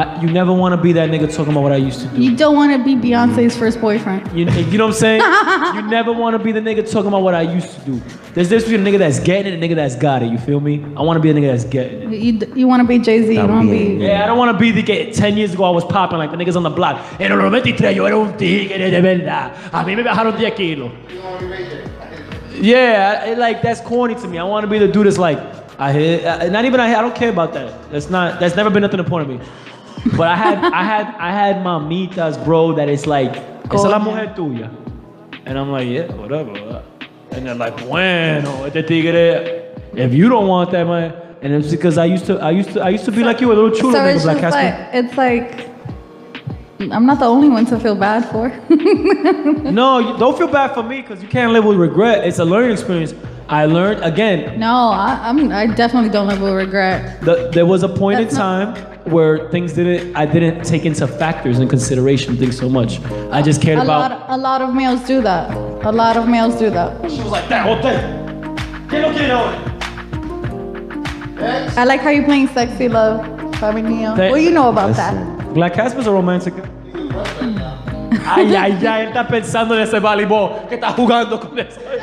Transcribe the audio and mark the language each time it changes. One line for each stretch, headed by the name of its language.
English: You never want to be that nigga talking about what I used to do. You don't want to be Beyonce's first boyfriend. You know what I'm saying? You never want to be the nigga talking about what I used to do. There's this between a nigga that's getting it and a nigga that's got it. You feel me? I want to be a nigga that's getting it. You want to be Jay-Z. That you don't want to be... Yeah, I don't want to be the nigga. 10 years ago, I was popping like the niggas on the block.
Spanish: En el 93, yo era un tigre de verdad. A mí me bajaron 10 kilos.
English: Yeah, like, that's corny to me. I want to be the dude that's like... I don't care about that. That's never been nothing important to me. But I had mamitas, bro, that it's like,
Spanish: esa la mujer tuya.
English: And I'm like, yeah, whatever. And they're like,
Spanish: bueno, este tigre,
English: if you don't want that, man. And it's because I used to be like you, a little chulo. So it's like, it's like, I'm not the only one to feel bad for. No, don't feel bad for me, because you can't live with regret. It's a learning experience. I learned again. No, I definitely don't live with regret. There was a point in time where things I didn't take into factors and consideration things so much. I just cared about. A lot of males do that. A lot of males do that. She was like that whole thing. Get okay now. I like how you're playing sexy love, Fabi Neo. What do you know about that? Black Casper's a romantic.
Spanish: Ay, ay, ay, él está pensando en ese voleibol que está jugando con eso.